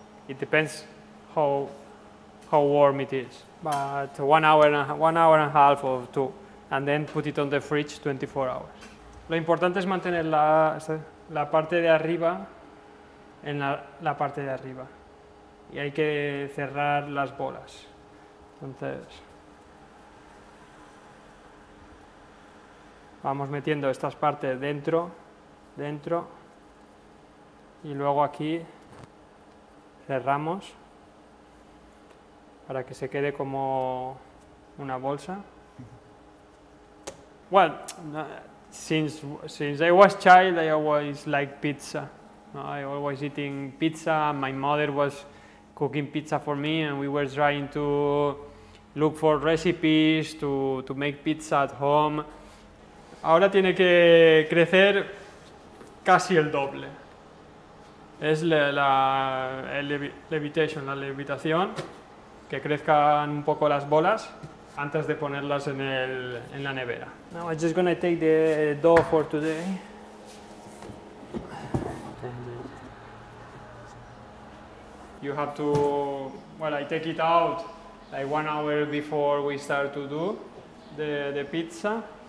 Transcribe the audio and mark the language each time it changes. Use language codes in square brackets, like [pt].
[en] It depends how warm it is, but 1 hour and a half or 2, and then put it on the fridge 24 hours. [es] Lo importante es mantener la parte de arriba en la parte de arriba, y hay que cerrar las bolas. Entonces vamos metiendo estas partes dentro, y luego aquí cerramos para que se quede como una bolsa. [en] Well, since I was child, I always liked pizza. I always eating pizza. My mother was cooking pizza for me, and we were trying to look for recipes to make pizza at home. [es] Ahora tiene que crecer casi el doble. Es la levitación, que crezcan un poco las bolas antes de ponerlas en la nevera. [en] Now I'm just gonna take the dough for today. You have to, well, I take it out like 1 hour before we start to do the pizza.